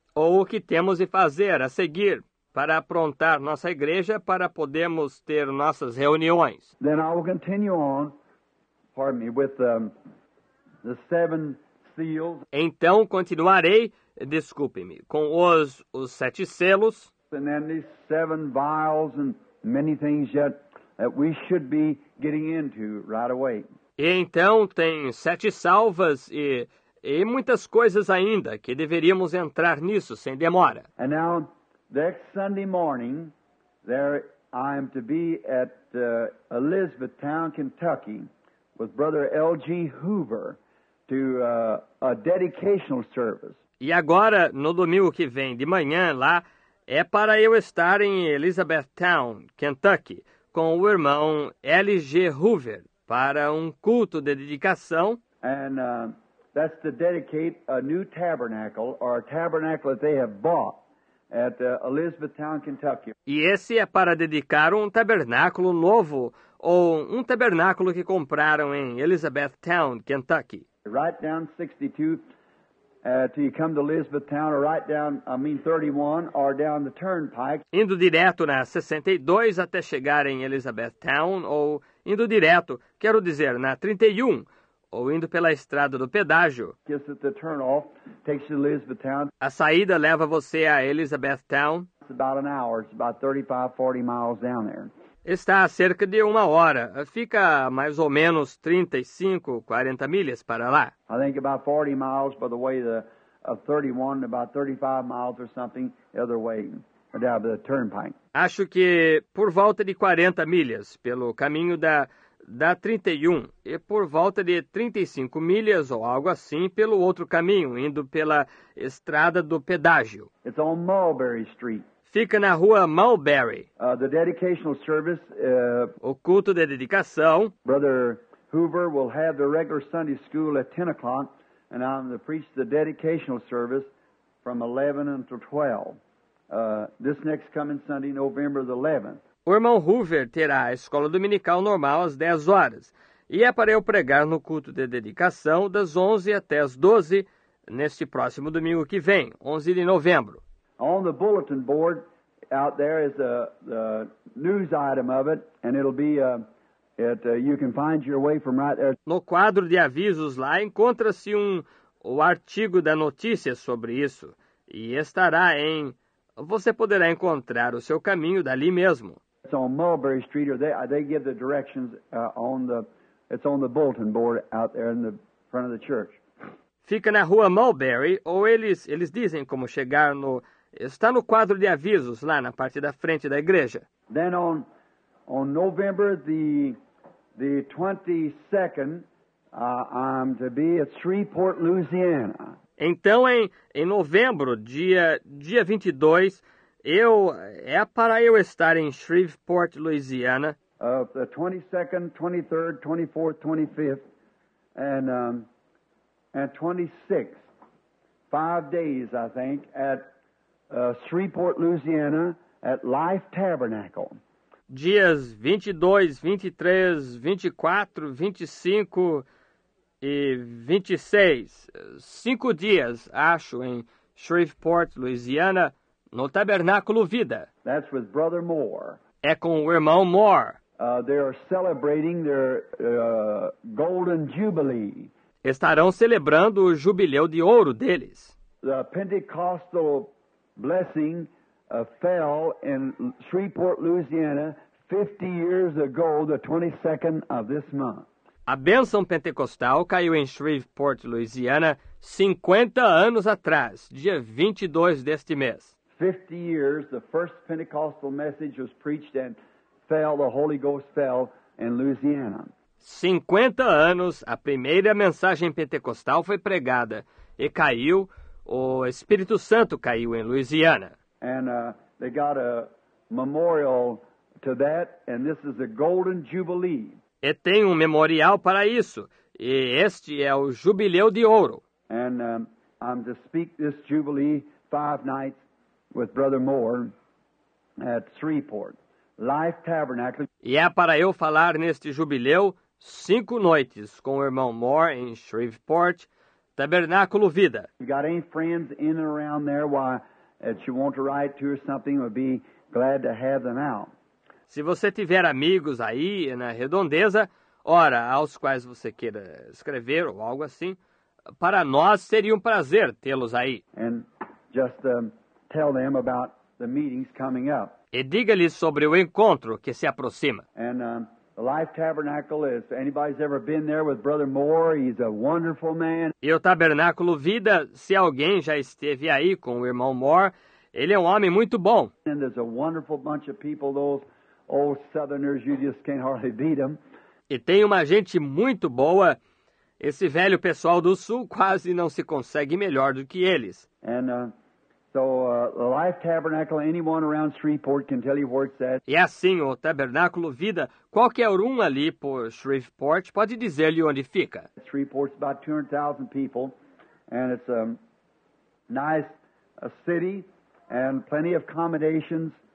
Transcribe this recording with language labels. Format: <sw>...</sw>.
<pt>Ou o que temos de fazer a seguir para aprontar nossa igreja para podermos ter nossas reuniões.</pt> <en>Then I will continue on. Pardon me, with the seven seals.</en> <pt>Então continuarei, desculpe-me, com os sete selos.</pt> <en>And then these seven vials and many things yet that we should be getting into right away.</en> <pt>E então tem sete salvas e muitas coisas ainda que deveríamos entrar nisso sem demora.</pt> <en>And now, next Sunday morning, there I am to be at Elizabethtown, Kentucky. With Brother L.G. Hoover to a dedicational service.</en> <pt>E agora, no domingo que vem de manhã lá, é para eu estar em Elizabethtown, Kentucky, com o irmão L.G. Hoover para um culto de dedicação.</pt> <en>And that's to dedicate a new tabernacle, or a tabernacle that they have bought at Elizabethtown, Kentucky.</en> <pt>E esse é para dedicar um tabernáculo novo, ou um tabernáculo que compraram em Elizabethtown, Kentucky.</pt> <en>Write down 62 till you come to Elizabethtown, or write down, 31, or down the turnpike.</en> <pt>Indo direto na 62 até chegar em Elizabethtown, ou indo direto, quero dizer, na 31, ou indo pela estrada do pedágio.</pt> <en>Gets at the turnoff, takes you to Elizabethtown.</en> <pt>A saída leva você a Elizabethtown.</pt> <en>It's about an hour, it's about 35, 40 miles down there.</en> <pt>Está a cerca de uma hora. Fica mais ou menos 35, 40 milhas para lá.</pt> <en>I think about 40 miles by the way of 31, about 35 miles or something the other way, down the turnpike.</en> <pt>Acho que por volta de 40 milhas pelo caminho da 31 e por volta de 35 milhas ou algo assim pelo outro caminho, indo pela estrada do pedágio.</pt> <en>It's on Mulberry Street.</en> <pt>Fica na rua Mulberry.</pt> <en>The dedicational service,</en> <pt>o culto de dedicação.</pt> <en>Brother Hoover will have the regular Sunday school at 10 o'clock, and I'm to preach the dedicational service from 11 until 12. This next coming Sunday, November the 11th.</en> <pt>O irmão Hoover terá a escola dominical normal às 10 horas, e é para eu pregar no culto de dedicação das 11 até as 12, neste próximo domingo que vem, 11 de novembro.</pt> <en>On the bulletin board out there is the news item of it, and it'll be you can find your way from right there.</en> <pt>No quadro de avisos lá encontra-se o artigo da notícia sobre isso, e estará em, você poderá encontrar o seu caminho dali mesmo.</pt> <en>It's on Mulberry Street, or they give the directions it's on the bulletin board out there in the front of the church.</en> <pt>Fica na rua Mulberry, ou eles dizem como chegar no. Está no quadro de avisos, lá na parte da frente da igreja.</pt> <en>Then on November the 22nd, I'm to be at Shreveport, Louisiana.</en> <pt>Então, em novembro, dia 22, é para eu estar em Shreveport, Louisiana.</pt> <en>Of the 22nd, 23rd, 24th, 25th, and 26th. 5 days, I think, at Shreveport, Louisiana, at Life Tabernacle.</en> <pt>Dias 22, 23, 24, 25 e 26. 5 dias, acho, em Shreveport, Louisiana, no Tabernáculo Vida.</pt> <en>That's with Brother Moore.</en> <pt>É com o irmão Moore.</pt> <en>They are celebrating their golden jubilee.</en> <pt>Estarão celebrando o jubileu de ouro deles.</pt> <en>The Pentecostal blessing fell in Shreveport, Louisiana, 50 years ago, the 22nd of this month.</en> <pt>A bênção pentecostal caiu em Shreveport, Louisiana, 50 anos atrás, dia 22 deste mês.</pt> <en>50 years, the first Pentecostal message was preached and fell, the Holy Ghost fell in Louisiana.</en> <pt>50 anos, a primeira mensagem pentecostal foi pregada e caiu, o Espírito Santo caiu em Louisiana.</pt> <en>And they got a memorial to that, and this is a golden jubilee.</en> <pt>E tem um memorial para isso, e este é o jubileu de ouro.</pt> <en>And I'm to speak this jubilee 5 nights with Brother Moore at Shreveport, Life Tabernacle.</en> <pt>E é para eu falar neste jubileu 5 noites com o irmão Moore em Shreveport, Tabernáculo Vida.</pt> <en>You got any friends in and around there? Why, if you want to write to or something, would be glad to have them out.</en> <pt>Se você tiver amigos aí na redondeza, ora, aos quais você queira escrever ou algo assim, para nós seria um prazer tê-los aí.</pt> <en>And just, tell them about the meetings coming up.</en> <pt>E diga-lhes sobre o encontro que se aproxima.</pt> <en>And, the Life Tabernacle is, anybody's ever been there with Brother Moore, he's a wonderful man.</en> <pt>E o Tabernáculo Vida, se alguém já esteve aí com o irmão Moore, ele é um homem muito bom.</pt> <en>And there's a wonderful bunch of people, those old Southerners, you just can't hardly beat them.</en> <pt>E tem uma gente muito boa, esse velho pessoal do Sul quase não se consegue melhor do que eles.</pt> <en>And the Life Tabernacle, anyone around Shreveport can tell you where it's at.</en> <pt>E assim, o Tabernáculo Vida, qualquer um ali por Shreveport pode dizer-lhe onde fica.</pt> <en>Shreveport's about 200,000 people, and it's a nice city, and plenty of accommodations.</en>